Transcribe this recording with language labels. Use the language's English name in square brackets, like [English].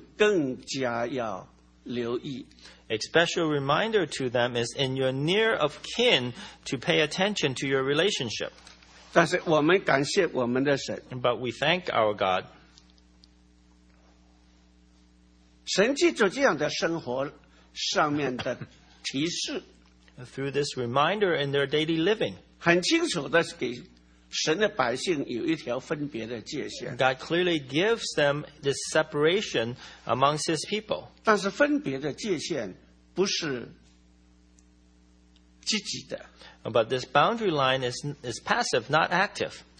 [Chinese] 那特别是提醒他们在近亲的里面就更加要留意。 [English] A special reminder to them is in your near of kin to pay attention to your relationship. But we thank our God. [Chinese] 神藉着这样的生活上面的提示, [English] through this reminder in their daily living, [Chinese] 神的百姓有一条分别的界限, [English] God clearly gives them this separation amongst his people. [Chinese] 但是分别的界限, 不是积极的, [English] but this boundary line is passive, not active.